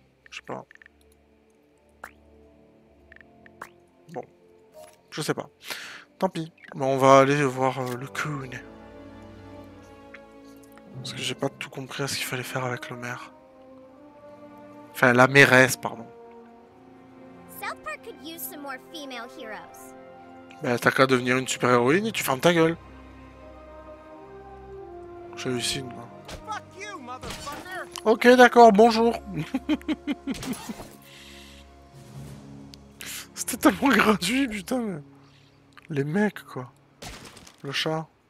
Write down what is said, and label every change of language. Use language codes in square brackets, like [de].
[fr] Je sais pas. Bon. Je sais pas. Tant pis. Mais on va aller voir le coon. Parce que j'ai pas tout compris à ce qu'il fallait faire avec le maire. Enfin, la mairesse, pardon. [en] South Park could use some more female heroes. [fr] Bah t'as qu'à devenir une super héroïne et tu fermes ta gueule. J'hallucine, moi. [en] Fuck you, motherfucker. [fr] Ok, d'accord, bonjour. C'était tellement gratuit, putain. Mais... Les mecs, quoi. Le chat.